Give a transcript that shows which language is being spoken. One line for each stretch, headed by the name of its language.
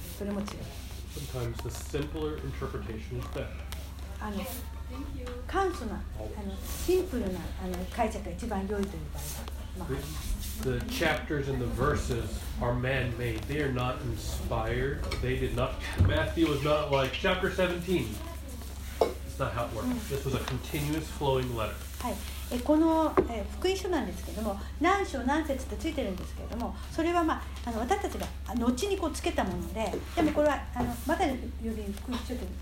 English: Sometimes the simpler interpretation is better.
Japanese: 簡素な、シンプルな、解釈が一番良いという場合は、
English: The chapters and the verses are man-made. They are not inspired. They did not. Matthew was not like chapter 17. That's not how it works. This was a continuous flowing letter.
Japanese: はい。この福音書なんですけれども、何章何節ってついてるんですけれども、それは、私たちが後にこうつけたもので、でもこれはまたより福音書という。